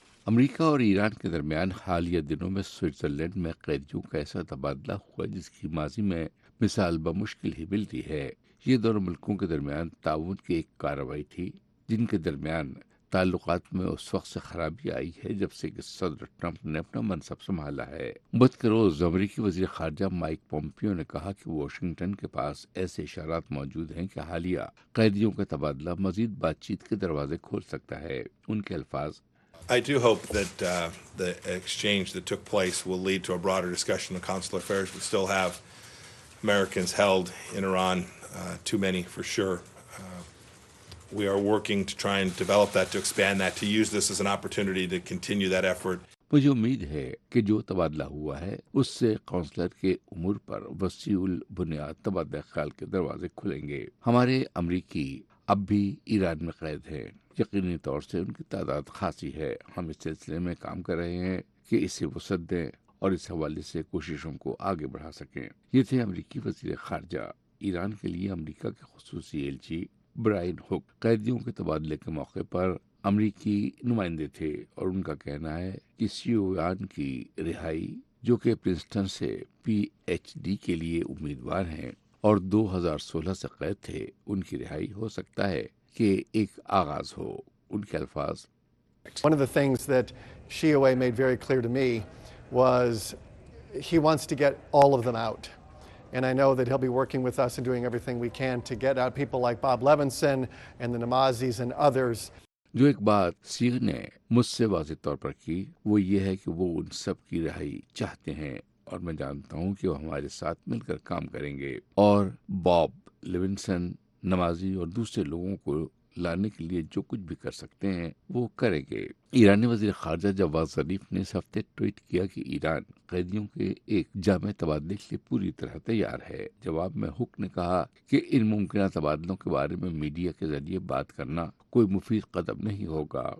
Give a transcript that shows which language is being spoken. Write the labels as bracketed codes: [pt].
[ur] امریکہ اور ایران کے درمیان حالیہ دنوں میں سوئٹزرلینڈ میں قیدیوں کا ایسا تبادلہ ہوا جس کی ماضی میں مثال بمشکل ہی ملتی ہے۔ یہ دونوں ملکوں کے درمیان تعاون کی ایک کارروائی تھی جن کے درمیان تعلقات میں اس وقت سے خرابی آئی ہے جب سے کہ صدر ٹرمپ نے اپنا منصب سنبھالا ہے۔ بدھ کے روز امریکی وزیر خارجہ مائک پومپیو نے کہا کہ واشنگٹن کے پاس ایسے اشارات موجود ہیں کہ حالیہ قیدیوں کا تبادلہ مزید بات چیت کے دروازے کھول سکتا ہے۔ ان کے الفاظ، [en] I do hope that the exchange that took place will lead to a broader discussion of consular affairs. We still have Americans held in Iran, too many for sure. We are working to try and develop that, to expand that, to use this as an opportunity to continue that effort. [ur] مجھے امید ہے کہ جو تبادلہ ہوا ہے اس سے counsellor کے امور پر وسیع البنیاد تبادلہ خیال کے دروازے کھلیں گے۔ ہمارے امریکی اب بھی ایران میں قید ہیں، یقینی طور سے ان کی تعداد خاصی ہے۔ ہم اس سلسلے میں کام کر رہے ہیں کہ اسے وسعت دیں اور اس حوالے سے کوششوں کو آگے بڑھا سکیں۔ یہ تھے امریکی وزیر خارجہ۔ ایران کے لیے امریکہ کے خصوصی ایلچی برائن ہک قیدیوں کے تبادلے کے موقع پر امریکی نمائندے تھے، اور ان کا کہنا ہے کہ سیوان کی رہائی، جو کہ پرنسٹن سے پی ایچ ڈی کے لیے امیدوار ہیں اور 2016 سے قید تھے، ان کی رہائی ہو سکتا ہے کہ ایک آغاز ہو۔ ان کے الفاظ، One of the things that Xiaowe made very clear to me was he wants to get all of them out. And I know that he'll be working with us and doing everything we can to get out people like Bob Levinson and the Namazis and others. جو ایک بات سیغ نے مجھ سے واضح طور پر کی وہ یہ ہے کہ وہ ان سب کی رہائی چاہتے ہیں، اور میں جانتا ہوں کہ وہ ہمارے ساتھ مل کر کام کریں گے، اور باب لیونسن، نمازی اور دوسرے لوگوں کو لانے کے لیے جو کچھ بھی کر سکتے ہیں وہ کریں گے۔ ایرانی وزیر خارجہ جواد ظریف نے اس ہفتے ٹویٹ کیا کہ ایران قیدیوں کے ایک جامع تبادلے کے لیے پوری طرح تیار ہے۔ جواب میں ہک نے کہا کہ ان ممکنہ تبادلوں کے بارے میں میڈیا کے ذریعے بات کرنا کوئی مفید قدم نہیں ہوگا۔